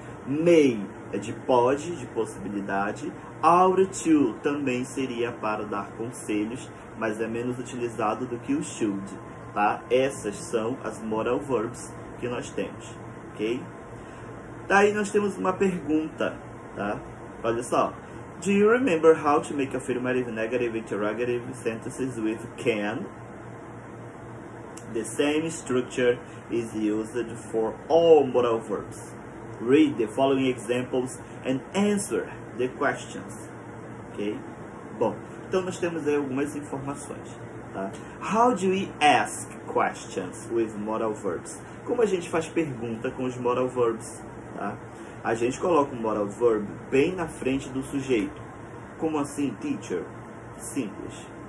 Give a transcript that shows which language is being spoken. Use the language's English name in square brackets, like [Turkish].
[Portuguese] May é de pode, de possibilidade. Ought to também seria para dar conselhos, mas é menos utilizado do que o should, tá? Essas são as modal verbs que nós temos, ok? Daí nós temos uma pergunta, tá? Olha só. [English] Do you remember how to make affirmative, negative, interrogative sentences with can? The same structure is used for all modal verbs. Read the following examples and answer the questions, ok? [Portuguese] Bom, então nós temos aí algumas informações, tá? [English] How do we ask questions with modal verbs? [Portuguese] Como a gente faz pergunta com os modal verbs, tá? A gente coloca o modal verb bem na frente do sujeito. Como assim, teacher? Simples.